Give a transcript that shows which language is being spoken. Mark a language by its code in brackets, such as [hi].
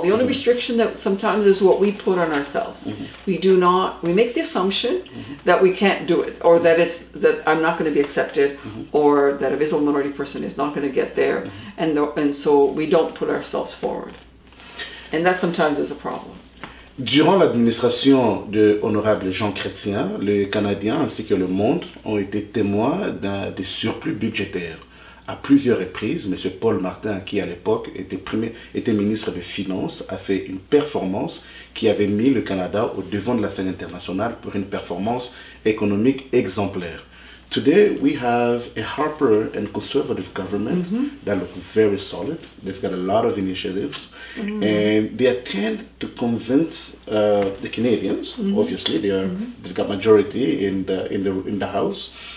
[en] The only restriction that sometimes is what we put on ourselves. Mm-hmm. We make the assumption that we can't do it, or that I'm not going to be accepted, or that a visible minority person is not going to get there, and so we don't put ourselves forward. And that sometimes is a problem. [fr] Durant l'administration de Honorable Jean Chrétien, les Canadiens ainsi que le monde ont été témoins d'un des surplus budgétaires. À plusieurs reprises, M. Paul Martin, qui à l'époque était ministre des Finances, a fait une performance qui avait mis le Canada au devant de la scène internationale pour une performance économique exemplaire. [en] Today, we have a Harper and conservative government that look very solid. They've got a lot of initiatives. Mm-hmm. And they attempt to convince the Canadians, obviously, they've got majority in the House.